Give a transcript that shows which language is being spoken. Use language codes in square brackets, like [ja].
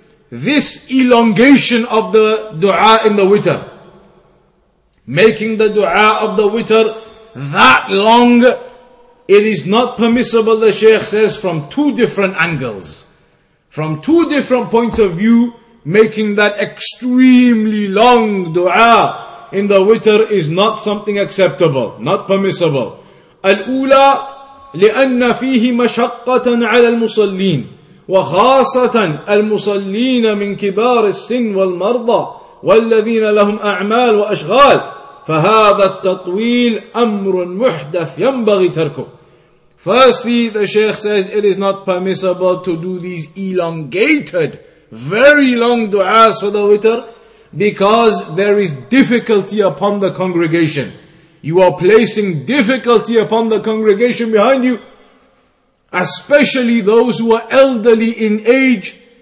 [en] This elongation of the dua in the witr, making the dua of the witr that long, it is not permissible, the Shaykh says, from two different angles. From two different points of view, making that extremely long dua in the witr is not something acceptable, not permissible. [ar] Al-Ula, لِأَنَّ فِيهِ مَشَقَّةً عَلَى الْمُصَلِّينَ وخاصة المصلين من كبار السن والمرضى والذين لهم أعمال وأشغال فهذا التطويل أمر محدث ينبغي تركه. [en] Firstly, the Shaykh says it is not permissible to do these elongated, very long du'as for the witr because there is difficulty upon the congregation. You are placing difficulty upon the congregation behind you, especially those who are elderly in age.